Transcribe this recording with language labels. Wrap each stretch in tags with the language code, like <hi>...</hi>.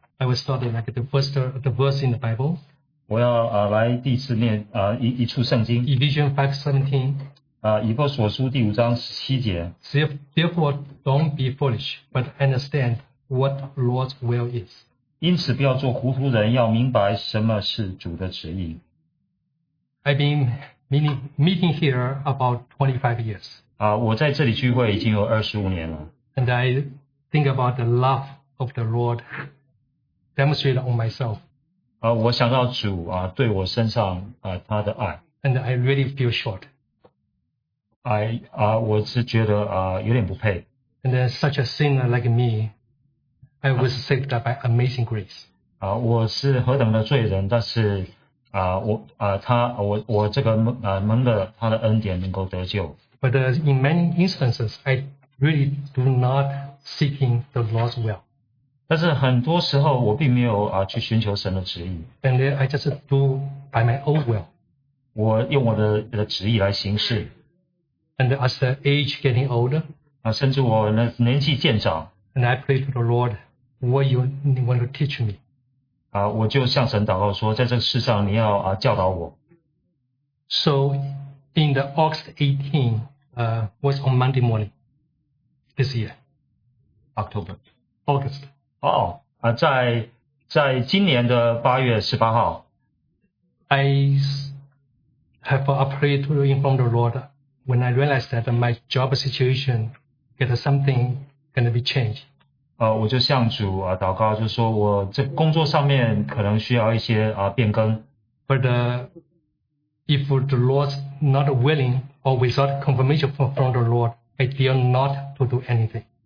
<en>I will start like the verse in the Bible.</en> <zh>我要来第一次念一处圣经。</zh> <en>Ephesians 5:17.</en> <zh>以弗所书第五章十七节。</zh> <en>Therefore, don't be foolish, but understand what Lord's will is.</en> <zh>因此不要做糊涂人，要明白什么是主的旨意。</zh> <en>I've been meeting here about 25 years.</en> <zh>我在这里聚会已经有25年了。</zh> <en>And I think about the love of the Lord demonstrated on myself.</en> <zh>我想到主对我身上他的爱。</zh> <en>And I really feel short.</en> <zh>我是觉得有点不配。</zh> <en>And then such a sinner like me, I was saved by amazing grace.</en> <zh>我是何等的罪人，但是我这个蒙了他的恩典能够得救。</zh> <en>But in many instances, I really do not seeking the Lord's will.</en> <zh>但是很多时候我并没有去寻求神的旨意。</zh> <en>And then I just do by my own will.</en> <zh>我用我的旨意来行事。</zh> <en>And as the age getting older,</en> <zh>甚至我年纪渐长,</zh> <en>and I pray to the Lord, what you want to teach me?</en> <zh>我就向神祷告说, 在这世上你要,</zh> <en>So in the August 18, was on Monday morning this year. October. August.</en> <zh>Oh, 在今年的8月18号,</zh> <en>I have a prayer to inform the Lord. When I realized that my job situation get something going to be changed.</en> <zh>我就向主祷告，就说我这工作上面可能需要一些变更。</zh> <en>But if the Lord's not willing or without confirmation from the Lord, I dare not to do anything.</en>